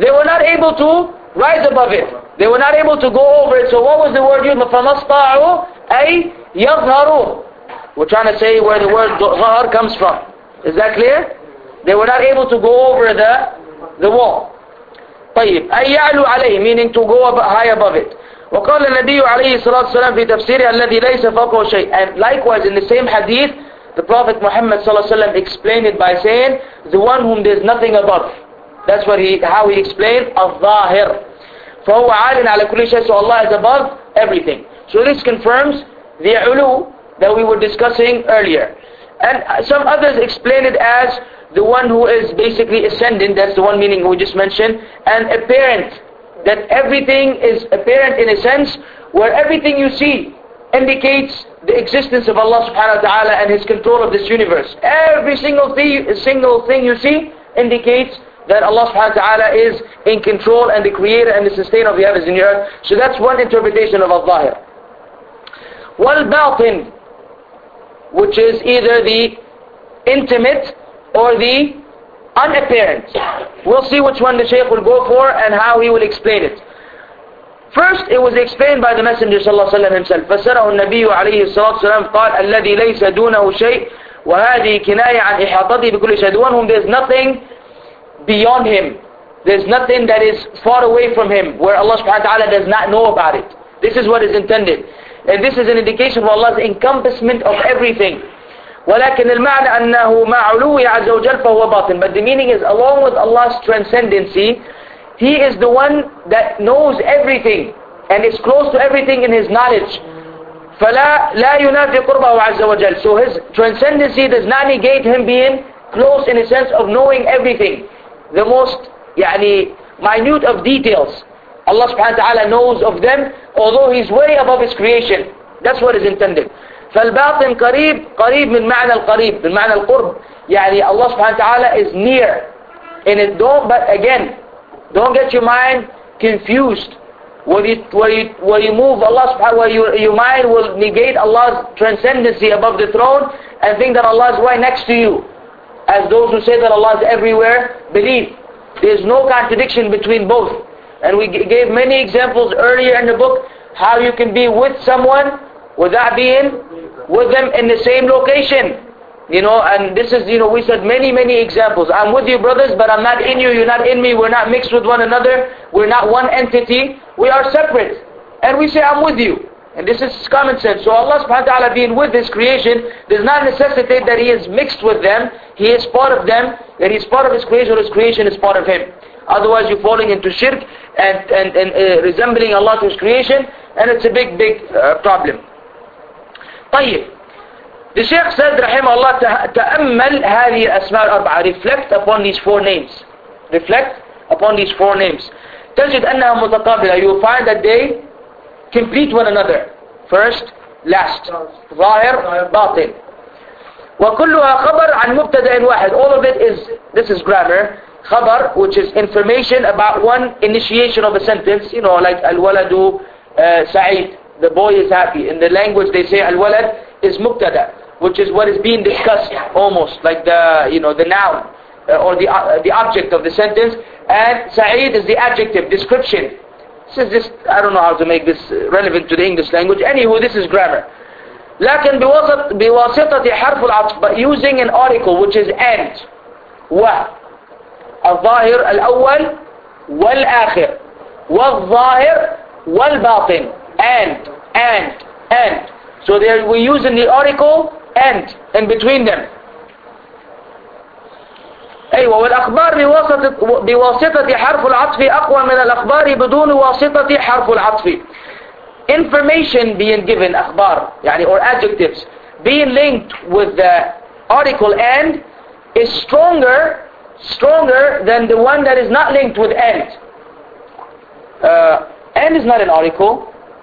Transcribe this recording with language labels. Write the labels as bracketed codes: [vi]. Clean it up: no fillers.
[en] They were not able to rise above it. They were not able to go over it. So what was the word used? [ar] فَمَا اسْطَاعُوا أَن يَظْهَرُوا. [en] We're trying to say where the word ظهر comes from. Is that clear? They were not able to go over the wall. [ar] طيب أن يعلو عليه, [en] meaning to go high above it. [ar] وقال النبي عليه الصلاة والسلام في تفسيره الذي ليس فوقه شيء. [en] And likewise in the same hadith, the Prophet Muhammad [ar] صلى الله عليه وسلم [en] explained it by saying the one whom there is nothing above. That's what how he explained الظاهر. [ar] فهو عال على كل شيء. [en] So Allah is above everything. So this confirms the علو that we were discussing earlier. And some others explain it as the one who is basically ascendant, that's the one meaning we just mentioned, and apparent, that everything is apparent in a sense where everything you see indicates the existence of Allah subhanahu wa ta'ala and His control of this universe. Every single thing you see indicates that Allah subhanahu wa ta'ala is in control and the creator and the sustainer of the heavens and the earth. So that's one interpretation of al-zahir. Wal-batin, which is either the intimate or the unapparent. We'll see which one the Shaykh will go for and how he will explain it. First, it was explained by the Messenger [ar] صلى الله عليه وسلم [en] himself. [ar] فسره النبي عليه الصلاة والسلام قال الذي ليس دونه شيء وهذه كناية عن إحاطته بكل شيء. [en] The one whom there's nothing beyond him. There's nothing that is far away from him where Allah subhanahu wa ta'ala does not know about it. This is what is intended. And this is an indication of Allah's encompassment of everything. [ar] ولكن المعنى أنه مع علوه عز وجل فهو باطن. [en] But the meaning is, along with Allah's transcendency, He is the one that knows everything and is close to everything in His knowledge. [ar] فلا لا ينافي قربه عز وجل. [en] So His transcendency does not negate Him being close in a sense of knowing everything, the most يعني minute of details. Allah [ar] سبحانه وتعالى [en] knows of them, although He's way above His creation. That's what is intended. [ar] فالباطن قريب, قريب من معنى القريب, من معنى القرب. [en] يعني Allah [ar] سبحانه وتعالى [en] is near. And it don't, but again, don't get your mind confused. Where you move Allah سبحانه, where your mind will negate Allah's transcendency above the throne and think that Allah is right next to you. As those who say that Allah is everywhere believe. There's no contradiction between both. And we gave many examples earlier in the book how you can be with someone without being with them in the same location. You know, and this is, you know, we said many, many examples. I'm with you, brothers, but I'm not in you, you're not in me, we're not mixed with one another, we're not one entity, we are separate. And we say, I'm with you. And this is common sense. So Allah subhanahu wa ta'ala being with His creation does not necessitate that He is mixed with them, He is part of them, that He is part of His creation, or His creation is part of Him. Otherwise you're falling into shirk and resembling Allah to His creation, and it's a big, big problem. [ar] طيب. [en] The Shaykh said, [ar] رحمه الله, تأمل هذه الأسماء الأربعة. [en] Reflect upon these four names. Reflect upon these four names. [ar] تجد أنها متقابلة. [en] You will find that they complete one another. First, last. [ar] ظاهر, باطن. وكلها خبر عن مبتدأ واحد. [en] All of it is, this is grammar, خبر, which is information about one initiation of a sentence. You know, like [ar] الولد سعيد. [en] The boy is happy. In the language they say الولد is مبتدأ, which is what is being discussed almost, like the, you know, the noun or the object of the sentence. And سعيد is the adjective, description. This is just, I don't know how to make this relevant to the English language. Anywho, this is grammar. [ar] لكن بواسطة حرف العطف, [en] but using an article which is and, [ar] و الظاهر الأول والآخر والظاهر والباطن, and. [en] So there we use in the article and in between them. [ar] أيوة والأخبار بواسطة حرف العطف أقوى من الأخبار بدون واسطة حرف العطف. [en] Information being given, أخبار يعني, or adjectives being linked with the article and is stronger than the one that is not linked with and. And is not an article.